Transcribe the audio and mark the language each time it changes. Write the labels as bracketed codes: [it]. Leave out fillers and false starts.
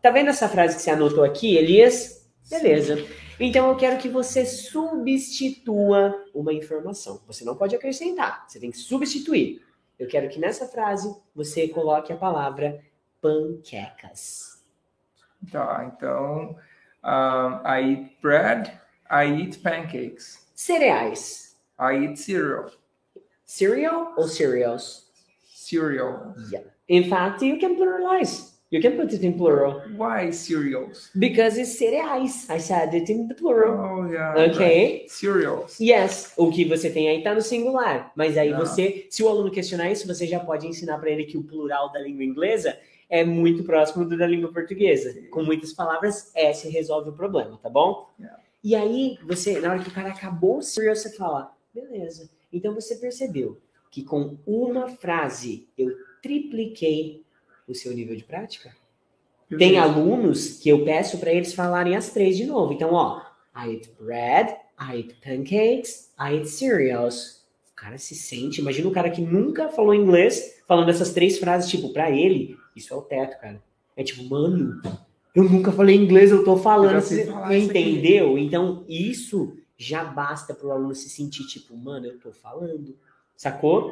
[pt] Tá vendo essa frase que você anotou aqui, Elias? Beleza. Sim. Então, eu quero que você substitua uma informação. Você não pode acrescentar, você tem que substituir. Eu quero que nessa frase você coloque a palavra panquecas. Tá, então, [en] I eat bread, I eat pancakes. [pt] Cereais. [en] I eat cereal. [pt] Cereal ou [en] cereals? Cereal. Yeah. In fact, you can pluralize. You can put it in plural. Why cereals? Because it's cereais. I said it in the plural. Oh, yeah. Okay. Right. Cereals. Yes. [pt] O que você tem aí tá no singular. Mas aí você, se o aluno questionar isso, você já pode ensinar para ele que o plural da língua inglesa é muito próximo do da língua portuguesa. Sim. Com muitas palavras, S resolve o problema, tá bom? Yeah. E aí, você, na hora que o cara acabou o cereal, você fala, beleza. Então você percebeu que com uma frase eu tripliquei o seu nível de prática? Perfeito. Tem alunos que eu peço para eles falarem as três de novo. Então, ó, [en] I eat bread, I eat pancakes, I eat cereals. [pt] O cara se sente, imagina um cara que nunca falou inglês falando essas três frases, tipo, para ele, isso é o teto, cara. É tipo, mano, eu nunca falei inglês, eu tô falando, eu você entendeu? Então, isso já basta pro aluno se sentir, tipo, mano, eu tô falando, sacou?